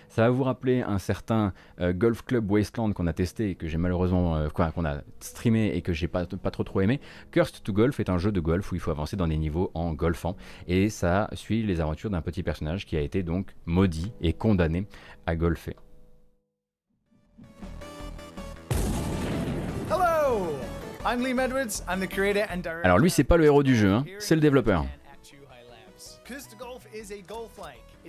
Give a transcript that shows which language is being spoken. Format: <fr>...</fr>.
<fr>Ça va vous rappeler un certain Golf Club Wasteland qu'on a testé et que j'ai malheureusement, qu'on a streamé et que j'ai pas trop aimé. Cursed to Golf est un jeu de golf où il faut avancer dans des niveaux en golfant, et ça suit les aventures d'un petit personnage qui a été donc maudit et condamné à golfer.</fr> <en>Hello, I'm Liam Edwards, I'm the creator and director.</en> <fr>Alors lui, c'est pas le héros du jeu, hein, c'est le développeur.</fr> <en>Cursed to Golf is a golf-like.</en>